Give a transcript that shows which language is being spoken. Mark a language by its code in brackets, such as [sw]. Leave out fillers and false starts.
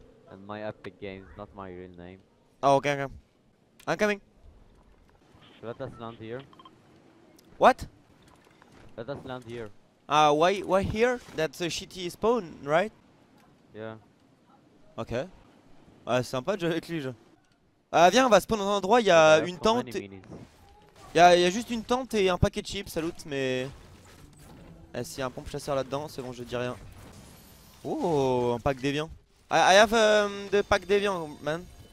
[en] And my Epic Games, not my real name. Oh, okay, okay. I'm coming. Let us land here. What? Let us land here. Why here? That's a shitty spawn, right? Yeah. Ok. [fr] Ouais, c'est sympa de jouer avec lui, je. Viens, on va spawn dans un endroit, y'a une tente. Y'a juste une tente et un paquet de chips, ça loot, mais. Et s'il y a un pompe chasseur là-dedans, c'est bon, je dis rien. Oh, un pack d'Evian. [en] I have the pack d'Evian, man.